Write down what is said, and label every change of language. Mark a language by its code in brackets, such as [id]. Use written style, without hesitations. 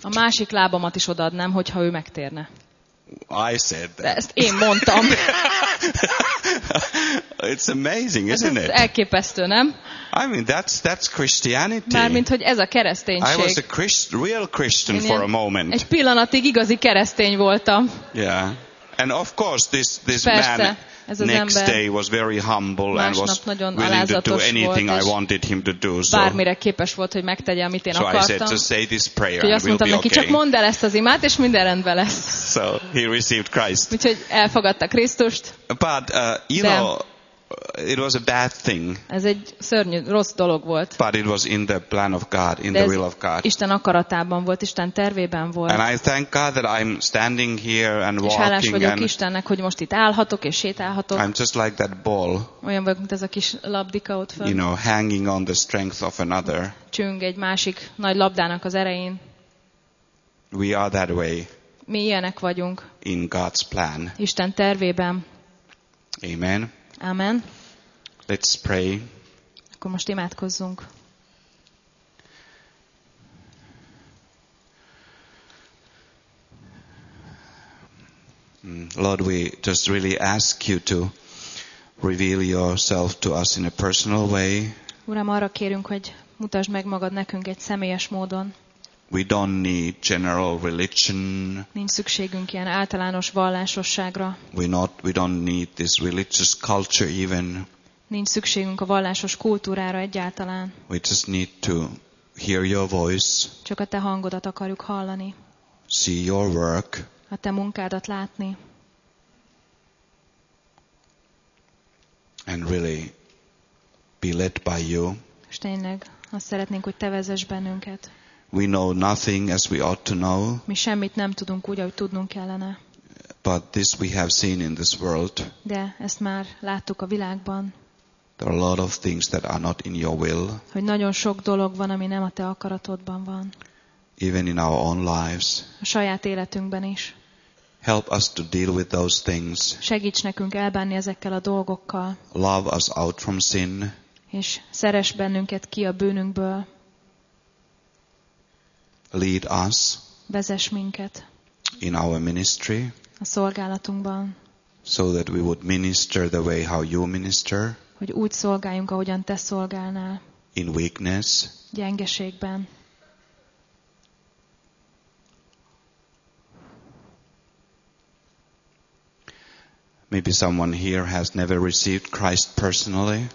[hu] A másik lábamat is odaadnám, hogyha ő megtérne. [en] I said that. [hu] Ezt én mondtam. [en] It's amazing, isn't it? [hu] Elképesztő, nem? [en] I mean, that's Christianity. [hu] Mármint, hogy ez a kereszténység. [en] I was a real Christian for a moment. [hu] Egy pillanatig igazi keresztény voltam. [en] Yeah. And of course this man next day was very humble and was willing to do anything I wanted him to do. So [hu] bármire képes volt, hogy megtegye, amit én akartam. [en] So I said, just say this prayer and we'll be okay. [hu] Neki, csak mondd el ezt az imát, és minden rendben lesz. [en] So he received Christ. [hu] Úgyhogy elfogadta Krisztust. [en] But you know, it was a bad thing. [hu] Ez egy szörnyű, rossz dolog volt. [en] But it was in the plan of God, in [hu] de [en] the will of God. [hu] Isten akaratában volt, Isten tervében volt. [en] And I thank God that I'm standing here and [hu] és [en] walking. [hu] És hálás vagyok Istennek, hogy most itt állhatok és sétálhatok. [en] I'm just like that ball. [hu] Olyan vagyok, mint ez a kis labdika ott fönn. [en] You know, hanging on the strength of another. [hu] Csüng egy másik nagy labdának az erején. [en] We are that way. [hu] Mi ilyenek vagyunk. [en] In God's plan. [hu] Isten tervében. [en] Amen. [hu] Amen. [en] Let's pray. [hu] Akkor most imádkozzunk. [en] Lord, we just really ask you to reveal yourself to us in a personal way. [hu] Uram, arra kérünk, hogy mutasd meg magad nekünk egy személyes módon. [en] We don't need general religion. [hu] Nincs szükségünk ilyen általános vallásosságra. [en] We don't need this religious culture even. [hu] Nincs szükségünk a vallásos kultúrára egyáltalán. [en] We just need to hear your voice. [hu] Csak a te hangodat akarjuk hallani. [en] See your work. [hu] A te munkádat látni. [en] And really be led by you. [hu] És tényleg azt szeretnénk, hogy te vezess bennünket. [en] We know nothing as we ought to know. [hu] Mi semmit nem tudunk úgy, ahogy tudnunk kellene. [en] But this we have seen in this world. [hu] De ezt már láttuk a világban. [en] There are a lot of things that are not in your will. [hu] Hogy nagyon sok dolog van, ami nem a te akaratodban van. [en] Even in our own lives. [hu] A saját életünkben is. [en] Help us to deal with those things. [hu] Segíts nekünk elbánni ezekkel a dolgokkal. [en] Love us out from sin. [hu] És szeress bennünket ki a bűnünkből. [en] Lead us. [hu] Vezess minket. [en] In our ministry. [hu] A szolgálatunkban. [en] So that we would minister the way how you minister. [hu] Hogy úgy szolgáljunk, ahogyan te szolgálnál. [en] In weakness. [hu] Gyengeségben. [en] Maybe someone here has never received Christ personally.